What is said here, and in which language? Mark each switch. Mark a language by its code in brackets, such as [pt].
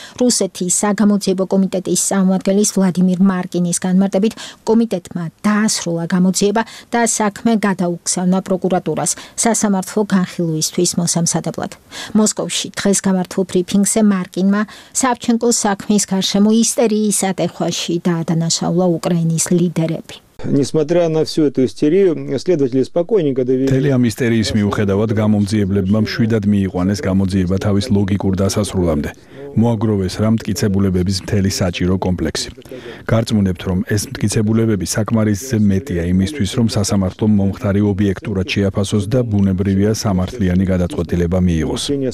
[ka] რუსეთის საგამოძიებო კომიტეტის წარმომადგენლის ვლადიმირ მარკინის განმარტებით კომიტეტმა დაასრულა გამოძიება და საქმე გადაუგზავნა პროკურატურას სასამართლო განხილვის ისთვის მოსამსადებლად. მოსკოვში დღეს გამართულ ბრიფინგზე მარკინმა სავჩენკოს საქმის გარშემო ისტერიის ატეხვაში დაადანაშაულა უკრაინის ლიდერები. [ru] Несмотря на всю эту истерию, следователи спокойненько довели. [ka] Телия мистериис მიუხედავად გამომძიებლებმა მშვიდად მიიყვანეს გამოძიება თავის ლოგიკურ დასასრულამდე. მოაგროვეს რა მტკიცებულებების მთელი საჭირო კომპლექსი. გარწმუნებთ, რომ ეს მტკიცებულებები საკმარისზე მეტია იმისთვის, რომ სასამართლო მომხდარი ობიექტურად შეაფასოს და ბუნებრივია სამართლიანი გადაწყვეტილება მიიღოს.